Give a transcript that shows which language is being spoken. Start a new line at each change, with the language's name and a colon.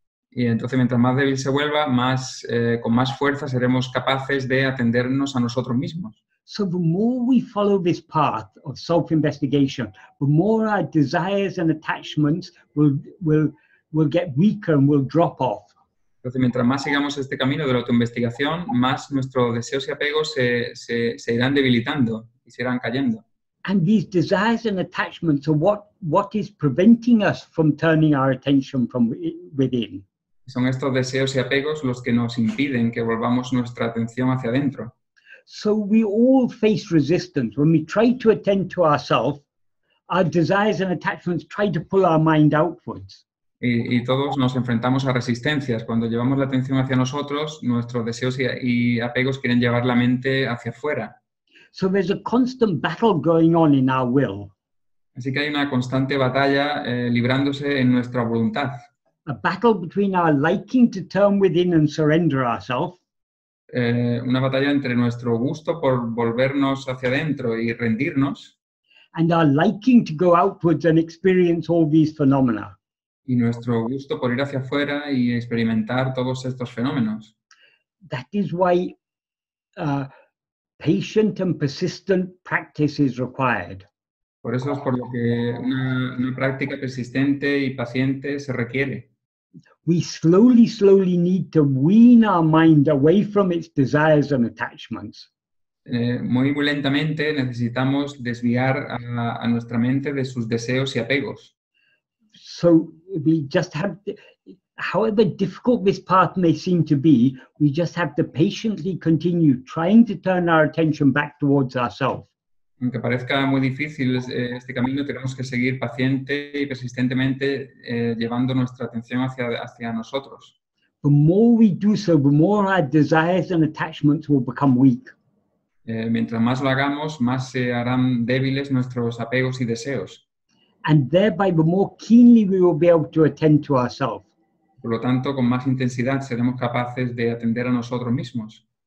Spanish: Y entonces, mientras más débil se vuelva, con más fuerza seremos capaces de atendernos a nosotros mismos.
English: So the more we follow this path of self-investigation, the more our desires and attachments will get weaker and will drop off.
Spanish: Entonces, mientras más sigamos este camino de la autoinvestigación, más nuestros deseos y apegos se irán debilitando y se irán cayendo.
English: And these desires and attachments are what is preventing us from turning our attention from within.
Spanish: Son estos deseos y apegos los que nos impiden que volvamos nuestra atención hacia adentro.
English: So we all face resistance. When we try to attend to ourselves, our desires and attachments try to pull our mind outwards.
Spanish: Y todos nos enfrentamos a resistencias. Cuando llevamos la atención hacia nosotros, nuestros deseos y apegos quieren llevar la mente hacia afuera.
English: So there's a constant battle going on in our will.
Spanish: Así que hay una constante batalla librándose en nuestra voluntad.
English: a battle between our liking to turn within and surrender ourselves.
Spanish: Una batalla entre nuestro gusto por volvernos hacia adentro y rendirnos.
English: And our liking to go outwards and experience all these phenomena.
Spanish: Y nuestro gusto por ir hacia afuera y experimentar todos estos fenómenos.
English: That is why patient and persistent practice is required.
Spanish: Por eso es por lo que una práctica persistente y paciente se requiere.
English: We slowly, slowly need to wean our mind away from its desires and attachments.
Spanish: Muy lentamente necesitamos desviar a nuestra mente de sus deseos y apegos.
English: So we just have, however difficult this path may seem to be, we just have to patiently continue trying to turn our attention back towards ourselves.
Spanish: Aunque parezca muy difícil este camino, tenemos que seguir paciente y persistentemente llevando nuestra atención hacia nosotros.
English: The more we do so, the more our desires and attachments will become weak.
Spanish: Mientras más lo hagamos, más se harán débiles nuestros apegos y deseos.
English: And thereby, the more keenly we will be able to attend to ourselves.
Spanish: Por lo tanto, con más intensidad seremos capaces de atender a nosotros mismos.